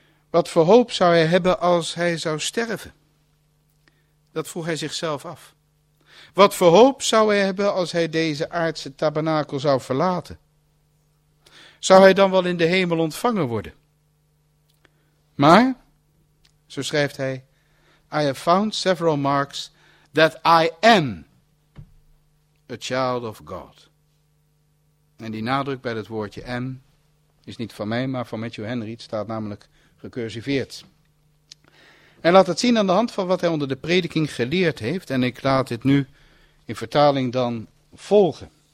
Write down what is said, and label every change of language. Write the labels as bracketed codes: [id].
[nl] Wat voor hoop zou hij hebben als hij zou sterven? Dat vroeg hij zichzelf af. Wat voor hoop zou hij hebben als hij deze aardse tabernakel zou verlaten? Zou hij dan wel in de hemel ontvangen worden? Maar, zo schrijft hij, [en] I have found several marks that I am a child of God. [nl] En die nadruk bij het woordje am is niet van mij, maar van Matthew Henry. Het staat namelijk gecursiveerd. Hij laat het zien aan de hand van wat hij onder de prediking geleerd heeft. En ik laat dit nu in vertaling dan volgen.